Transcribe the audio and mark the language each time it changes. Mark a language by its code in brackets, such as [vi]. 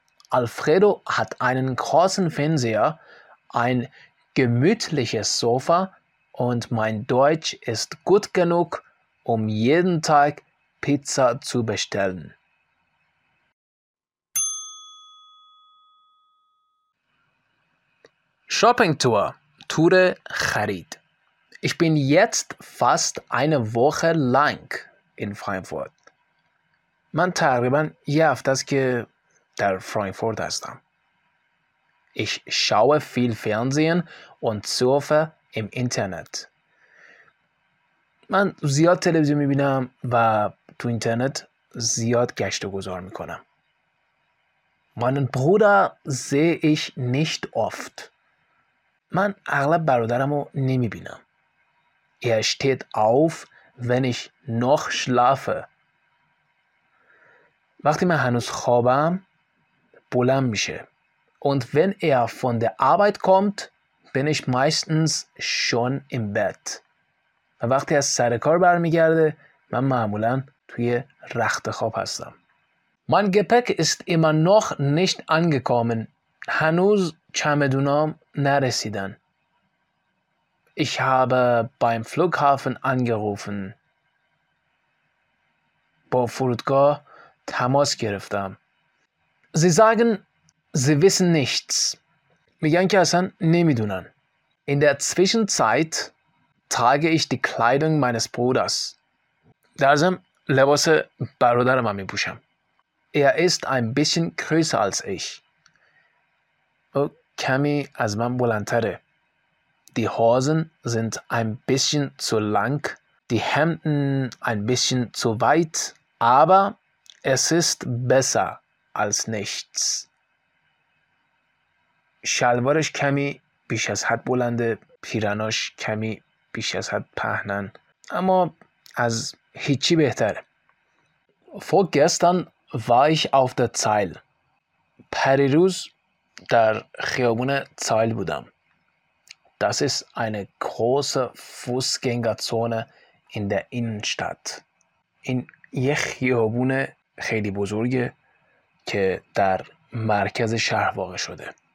[de] Alfredo hat einen großen Fernseher, ein gemütliches Sofa und mein Deutsch ist gut genug, um jeden Tag Pizza zu bestellen. Shoppingtour, [fa] Ture Harid. [de] Ich bin jetzt fast eine Woche lang in Frankfurt. [fa] من تقریبا یه هفته است که در فرانکفورت هستم. [de] Ich schaue viel Fernsehen und surfe im Internet. [fa] من زیاد تلویزیون میبینم و تو اینترنت زیاد گشت و گذار میکنم. [de] Meinen Bruder sehe ich nicht oft. [fa] من اغلب برادرم رو نمیبینم. [de] Er steht auf, wenn ich noch schlafe. [fa] وقتی من هنوز خوابم بلند میشه. [de] Und wenn er von der Arbeit kommt, bin ich meistens schon im Bett. [fa] و وقتی از سر کار برمیگرده من معمولا توی رخت خواب هستم. [de] Mein Gepäck ist immer noch nicht angekommen. [fa] هنوز چمدونام نرسیدن. [de] Ich habe beim Flughafen angerufen. [fa] با فرودگاه تماس گرفتم. [de] Sie sagen, sie wissen nichts. [fa] میگن که اصلا نمیدونن. [de] In der Zwischenzeit trage ich die Kleidung meines Bruders. [fa] در ضمن لباس برادرم هم میپوشم. [de] Er ist ein bisschen größer als ich. [fa] او کمی از من بلندتره. [de] Die Hosen sind ein bisschen zu lang, die Hemden ein bisschen zu weit, aber es ist besser als nichts. [fa] شلوارش کمی بیش از حد بلنده، پیراناش کمی بیش از حد پهنن، اما از هیچی بهتره. [de] Vorgestern war ich auf der Zeil. [fa] پریروز در خیابون زایل بودم. [de] Das ist eine große Fußgängerzone in der Innenstadt. [fa] این یه خیابون خیلی بزرگه که در مرکز شهر واقع شده.